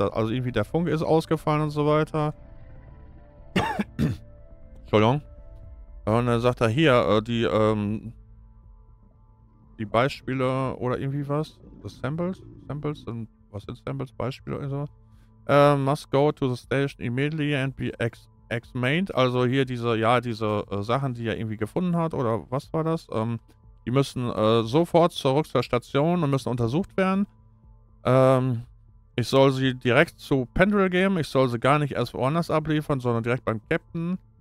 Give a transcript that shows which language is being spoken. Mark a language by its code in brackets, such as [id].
[de] Also irgendwie der Funk ist ausgefallen und so weiter. Entschuldigung. Und dann sagt er hier, die Beispiele oder irgendwie was? The Samples? Samples? Und was sind Samples? Beispiele oder so? [en] Must go to the station immediately and be examined. [de] Also hier diese, ja, diese Sachen, die er irgendwie gefunden hat oder was war das? Die müssen sofort zurück zur Station und müssen untersucht werden. Ich soll sie direkt zu Pendril geben. Ich soll sie gar nicht erst woanders abliefern, sondern direkt beim Captain.